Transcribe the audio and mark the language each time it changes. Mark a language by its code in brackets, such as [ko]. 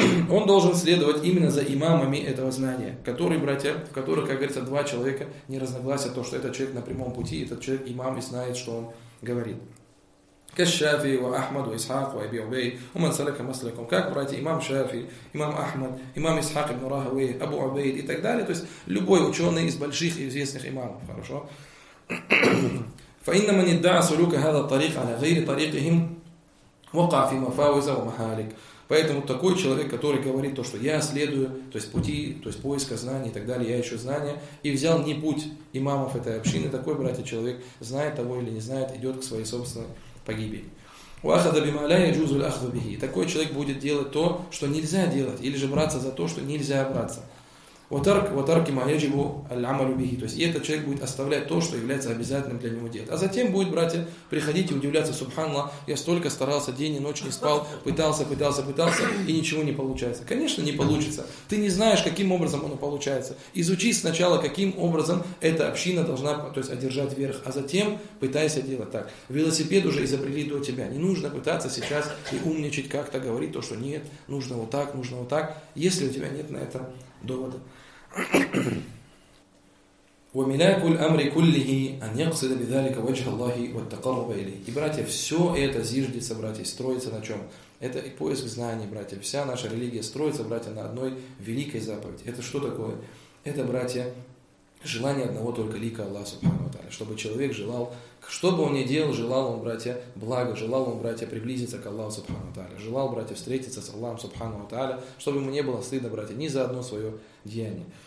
[ru] он должен следовать именно за имамами этого знания, которые, братья, в которых, как говорится, два человека не разногласят, то, что этот человек на прямом пути, этот человек имам и знает, что он говорит. Кашафи, Ахмад, Исхак, Аби Убей, Уман Салека Маслаком, как братья имам Шафи, имам Ахмад, имам Исхак ибн Рахуи, Абу Убейд и так далее. То есть любой ученый из больших и известных имамов. Хорошо? [ar] فإن من ادعى سلوك هذا الطريق على غير طريقهم وقع في مفاوز ومهالك. [ru] Поэтому такой человек, который говорит то, что я следую, то есть пути, то есть поиска знаний и так далее, я ищу знания, и взял не путь имамов этой общины, такой, братья, человек, знает того или не знает, идет к своей собственной погибели. [ar] وأخذ بما لا يجوز الأخذ به. [ru] Такой человек будет делать то, что нельзя делать, или же браться за то, что нельзя браться. [ar] وترك ما يجب العمل به. [ru] То есть, и этот человек будет оставлять то, что является обязательным для него делать. А затем будет, братья, приходить и удивляться: Субханаллах, я столько старался, день и ночь не спал, пытался, и ничего не получается. Конечно, не получится. Ты не знаешь, каким образом оно получается. Изучи сначала, каким образом эта община должна, то есть, одержать верх, а затем пытайся делать так. Велосипед уже изобрели до тебя. Не нужно пытаться сейчас и умничать, как-то говорить то, что нет, нужно вот так, нужно вот так, если у тебя нет на это довода. [ar] وملاك الأمر كله أن يقصد بذلك وجه الله والتقرب إليه. [ru] И братья, все это зиждется, братья, строится на чем? Это и поиск знаний, братья. Вся наша религия строится, братья, на одной великой заповеди. Это что такое? Это, братья, желание одного только лика Аллаха Субхану ва Тааля, чтобы человек желал, что бы он ни делал, желал он, братья, блага, желал он, братья, приблизиться к Аллаху Субхану ва Тааля, желал, братья, встретиться с Аллахом Субхану ва Тааля, чтобы ему не было стыдно, братья, ни за одно свое деяние.